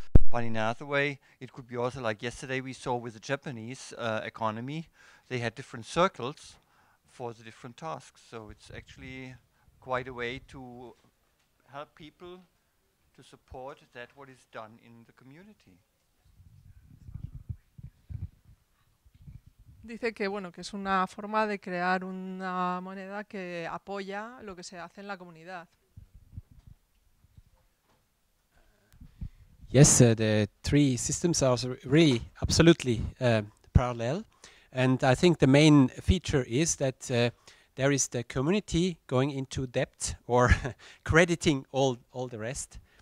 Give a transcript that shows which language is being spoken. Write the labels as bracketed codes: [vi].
[en] But in another way, it could be also like yesterday we saw with the Japanese economy, they had different circles for the different tasks. So it's actually quite a way to help people to support that what is done in the community. [es] Dice que bueno, que es una forma de crear una moneda que apoya lo que se hace en la comunidad. [en] Yes, the three systems are really absolutely parallel. And I think the main feature is that there is the community going into debt or crediting all the rest.